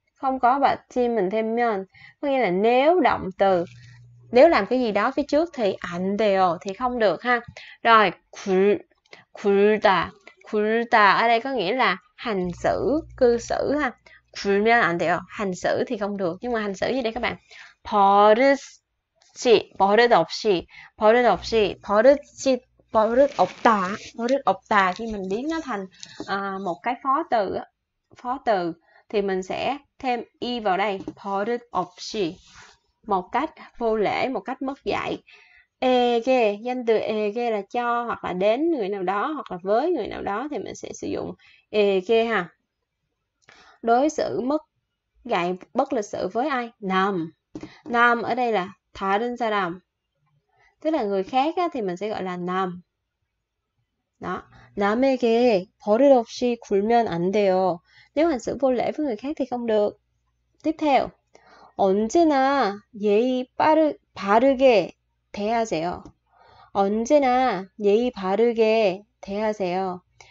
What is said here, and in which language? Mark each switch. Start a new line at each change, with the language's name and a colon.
Vietnamese: Không có bạ chim mình thêm miền. Có nghĩa là nếu động từ, nếu làm cái gì đó phía trước thì ăn đều thì không được ha. Rồi, khu, khulta, khulta ở đây có nghĩa là hành xử, cư xử ha. Khulmyeon an daeyo, hành xử thì không được. Nhưng mà hành xử gì đây các bạn?
Korean: 버릇이, 버릇 없이, 버릇 없이, 버릇이, 버릇 없다.
Vietnamese: 버릇 없다 khi mình biến nó thành một cái phó từ thì mình sẽ thêm y vào đây, 버릇 없이. Một cách vô lễ, một cách mất dạy. Ege, danh từ ege là cho hoặc là đến người nào đó hoặc là với người nào đó thì mình sẽ sử dụng ege ha. Đối xử mất dạy, bất lịch sự với ai? Nam. Nam ở đây là 다른 사람. Tức là người khác á, thì mình sẽ gọi là nam. Đó.
Korean: 남에게 버릇없이 굴면 안 돼요.
Vietnamese: Nếu hành xử vô lễ với người khác thì không được. Tiếp theo.
Korean: 언제나 예의 바르게 대하세요. 언제나 예의 바르게 대하세요.